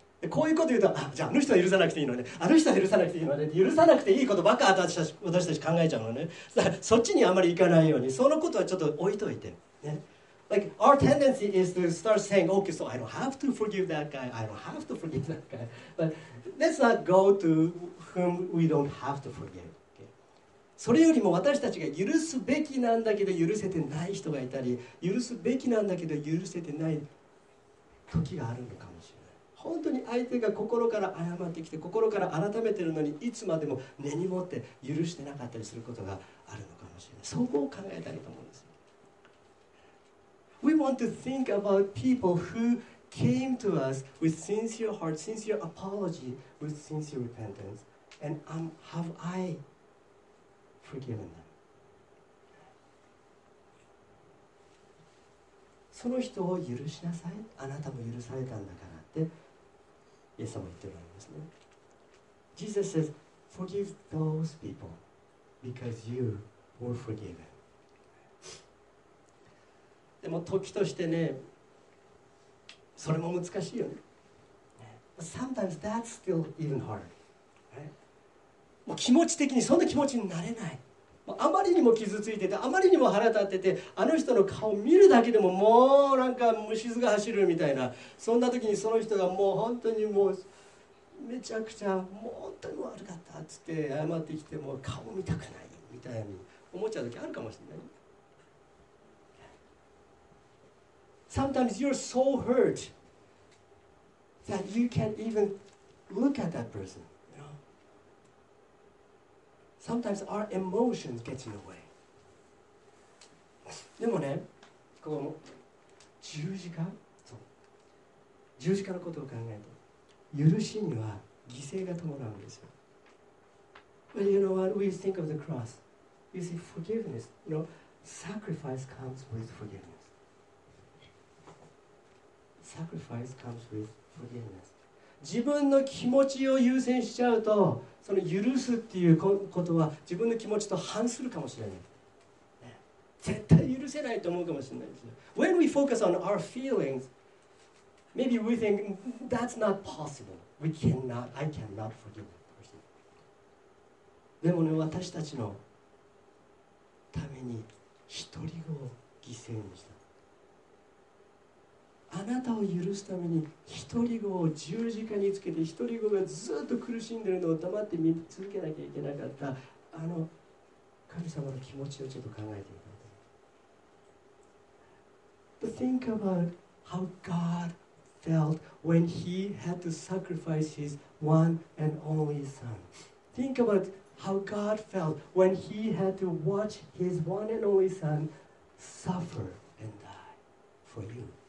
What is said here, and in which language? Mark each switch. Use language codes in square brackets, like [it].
[ja] こういうこと言うと、じゃああの人は許さなくていいのね、あの人は許さなくていいのね、許さなくていいことばっか私たち考えちゃうのね。そっちにあまり行かないように、そのことはちょっと置いといて。 [en] ね、like, our tendency is to start saying, okay, so I don't have to forgive that guy, I don't have to forgive that guy. But let's not go to whom we don't have to forgive.、Okay? [ja] それよりも私たちが許すべきなんだけど許せてない人がいたり、許すべきなんだけど許せてない時があるのかもしれない。本当に相手が心から謝ってきて心から改めてるのにいつまでも根に持って許してなかったりすることがあるのかもしれない。そこを考えたいと思うんですよ。 [en] We want to think about people who came to us with sincere heart, sincere apology, with sincere repentance, and have I forgiven them? [ja] その人を許しなさい。あなたも許されたんだからって。イエス様は言っておられますね。 [en] Jesus says, forgive those people because you were forgiven. [ja] でも時としてね、それも難しいよね。 [en] But、sometimes that's still even hard.、Right? [ja] もう気持ち的にそんな気持ちになれない。もうあまりにも傷ついてて、あまりにも腹立ってて、あの人の顔見るだけでももうなんか虫唾が走るみたいな、そんな時にその人がもう本当にもうめちゃくちゃもう本当に悪かったっつって謝ってきて、もう顔見たくないみたいに思っちゃう時あるかもしれない。 [en] Sometimes you're so hurt that you can't even look at that person. Sometimes our emotions get in the way. [ja] でもね、この十字架、そう、十字架のことを考えて、許しには犠牲が伴うんですよ。 [en] But you know what? We think of the cross. You see, forgiveness. You know, sacrifice comes with forgiveness. Sacrifice comes with forgiveness. [ja] 自分の気持ちを優先しちゃうと、その許すっていうことは自分の気持ちと反するかもしれない。絶対許せないと思うかもしれないですよ。 [en] When we focus on our feelings, maybe we think that's not possible. We cannot, I cannot forgive that person. [ja] でもね、私たちのために一人を犠牲にした。あなたを許すために一人子を十字架につけて、一人子がずっと苦しんでるのを黙って見続けなきゃいけなかった、あの神様の気持ちをちょっと考えてみてください。 [en] But think about how God felt when he had to sacrifice his one and only son. Think about how God felt when he had to watch his one and only son suffer and die for you.